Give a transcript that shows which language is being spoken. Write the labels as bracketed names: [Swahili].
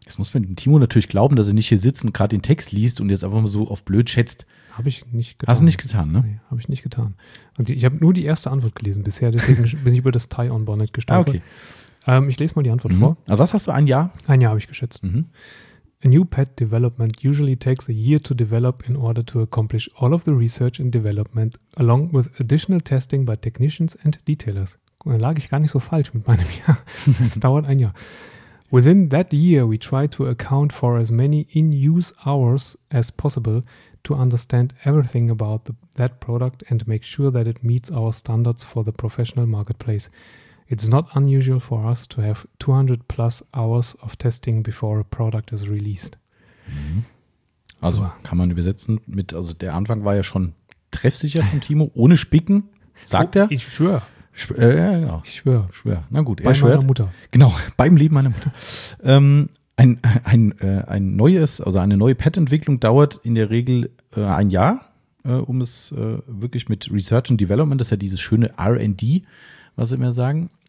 [German] Jetzt muss man dem Timo natürlich glauben, dass er nicht hier sitzt und gerade den Text liest und jetzt einfach mal so auf blöd schätzt. Habe ich nicht getan. Hast du nicht getan, ne? Nee, habe ich nicht getan. Und ich habe nur die erste Antwort gelesen bisher, deswegen bin ich über das Tie-on-Bonnet gestolpert. Okay. Ich lese mal die Antwort vor. Also was hast du, ein Jahr? Ein Jahr habe ich geschätzt. Mhm. [English] A new pad development usually takes a year to develop in order to accomplish all of the research and development along with additional testing by technicians and detailers. [German] Da lag ich gar nicht so falsch mit meinem Jahr. Es dauert ein Jahr. [English] Within that year, we try to account for as many in-use hours as possible to understand everything about that product and make sure that it meets our standards for the professional marketplace. It's not unusual for us to have 200 plus hours of testing before a product is released. Mhm. [German] Also kann man übersetzen mit, also der Anfang war ja schon treffsicher von Timo, ohne Spicken, sagt er. Ich schwöre. Ich schwöre. Na gut, bei meiner Mutter. Genau, beim Leben meiner Mutter. Ein neues, also eine neue Pad-Entwicklung dauert in der Regel ein Jahr, um es wirklich mit Research and Development, das ist ja dieses schöne R&D, was sie immer sagen.